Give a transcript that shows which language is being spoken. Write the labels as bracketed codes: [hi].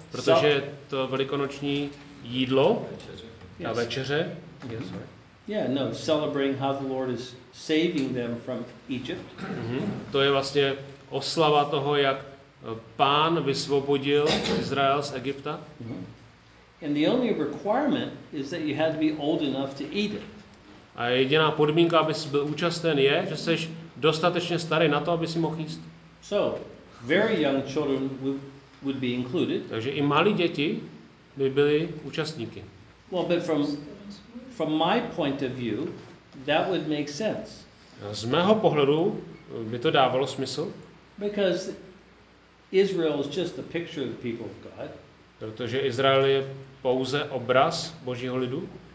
[cs] Protože je to velikonoční jídlo na večeře. [en] Yes. Yeah, no, celebrating how the Lord is saving them from Egypt. [cs] To je vlastně oslava toho, jak Pán vysvobodil Izrael z Egypta. [en] And the only requirement is that you had to be old enough to eat it. [cs] A jediná podmínka, abys byl účasten, je, že jsi dostatečně starý na to, aby si mohl jíst. [en] So, very young children would be included. [cs] Takže i malí děti by byli účastníky. [en] Well, but from my point of view, that would make sense. [cs] Z mého pohledu by to dávalo smysl. [en] Because Israel is just a picture of the people of God. [cs] Protože Izrael je pouze obraz Božího lidu.